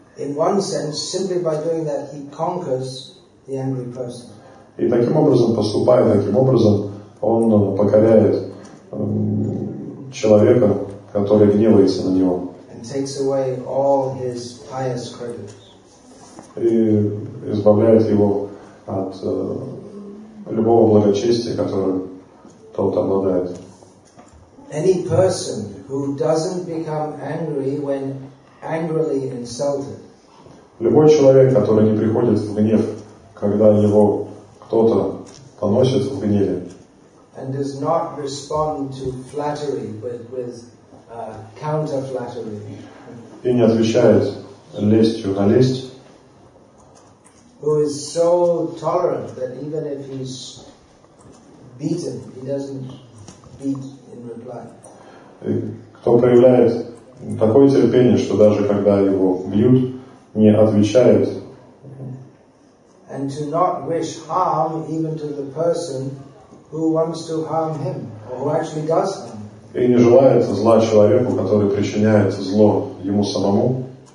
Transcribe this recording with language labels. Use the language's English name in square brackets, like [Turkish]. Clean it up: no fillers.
[Russian] И таким образом, поступая таким образом, он покоряет человека, который гневается на него. [English] And takes away all his pious credits. [Russian] И избавляет его от любого благочестия, которое тот обладает. [English] Any person who doesn't become angry when angrily insulted. [Russian] Любой человек, который не приходит в гнев, когда его кто-то поносит в гневе. [English] And does not respond to flattery with counter-flattery. [Russian] И не отвечает лестью на лесть. [English] Who is so tolerant that even if he's beaten, he doesn't beat in reply. [Russian] Кто проявляет такое терпение, что даже когда его бьют, не отвечает. [English] And to not wish harm even to the person who wants to harm him, or who actually does harm. [Russian] И не желает зла человеку, который причиняет зло ему самому.